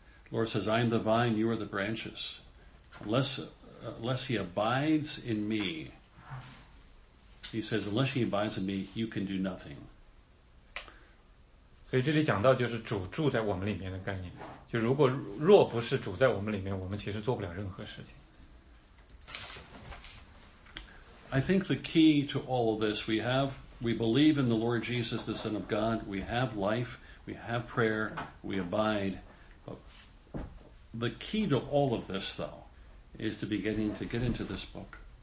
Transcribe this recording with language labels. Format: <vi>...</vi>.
<en>Lord says, "I am the vine; you are the branches." Unless he abides in me, he says, unless he abides in me, you can do nothing.</en> <zh>所以这里讲到就是主住在我们里面的概念，就如果若不是主在我们里面，我们其实做不了任何事情。</zh> <en>I think the key to all of this, we have We believe in the Lord Jesus, the Son of God. We have life. We have prayer. We abide. But the key to all of this, though, is to beginning to get into this book.</en>